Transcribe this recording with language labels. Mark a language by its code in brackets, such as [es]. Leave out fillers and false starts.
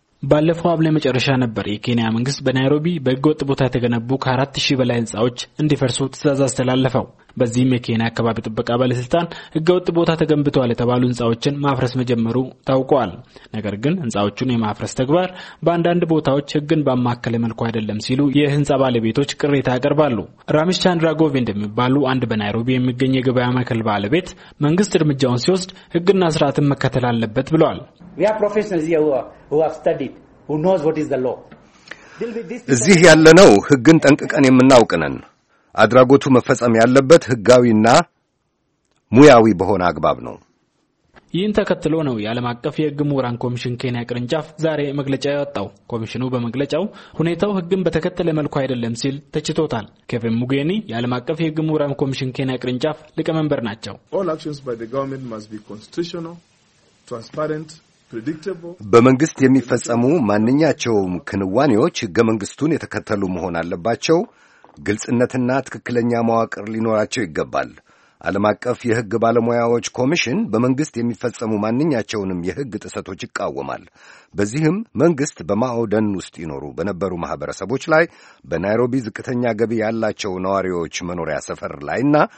[am] ባለፈው አብለ መጨረሻ ነበር የኬንያ መንግስት በናይሮቢ በጎጥ ቦታ ተገነቡ ከ4000 በላይ ህንጻዎች እንዲፈርሱ ትዕዛዝ አስተላለፈው። በዚህ የኬንያ አካባቢ ጥበቃ ባለስልጣን ህገወጥ ቦታ ተገንብቷል የተባሉ ህንጻዎችን ማፍረስ መጀመሩ ታውቋል። ነገር ግን ህንጻዎቹን የማፍረስ ተግባር በአንዳንድ ቦታዎች ህግን በማማከለ መልኩ አይደለም ሲሉ የህንጻ ባለቤቶች ቅሬታ አቀርባሉ። ራሚሽ ቻንድራ ጎቪንድ የሚባሉ አንድ በናይሮቢ የሚገኝ የገበያ ማዕከል ባለቤት መንግስት እርምጃውን ሲወስድ ህግና ስርዓትን መከተል አለበት ብለዋል። [en] We are professionals here who have studied, who knows what is the law. [am] እዚህ ያለነው ህግን ጠንቅቀን የምናውቅ ነን። አድራጎቱ መፈጸም ያለበት ህጋዊና ሙያዊ በሆነ አግባብ ነው። ይህን ተከትሎ ነው የዓለም አቀፍ የህግ ምሁራን ኮሚሽን ኬንያ ቅርንጫፍ ዛሬ መግለጫ ያወጣው። ኮሚሽኑ በመግለጫው ሁኔታው ህግን በተከተለ መልኩ አይደለም ሲል ተችቶታል። ኬቪን ሙጌኒ የዓለም አቀፍ የህግ ምሁራን ኮሚሽን ኬንያ ቅርንጫፍ ሊቀመንበር ናቸው። [en] All actions by the government must be constitutional, transparent, predictable. [am] በመንግስት የሚፈጸሙ ማንኛቸውም ክንዋኔዎች ህገ መንግስቱን የተከተሉ መሆን አለባቸው። ግልጽነትና ትክክለኛ መዋቅር ሊኖራቸው ይገባል። ዓለም አቀፍ የህግ ባለሙያዎች ኮሚሽን በመንግስት የሚፈጸሙ ማንኛቸውንም የህግ ጥሰቶች ይቃወማል። በዚህም መንግስት በማኦደን ውስጥ ይኖሩ በነበሩ ማህበረሰቦች ላይ በናይሮቢ ዝቅተኛ ገቢ ያላቸው ነዋሪዎች መኖሪያ ሰፈር ላይና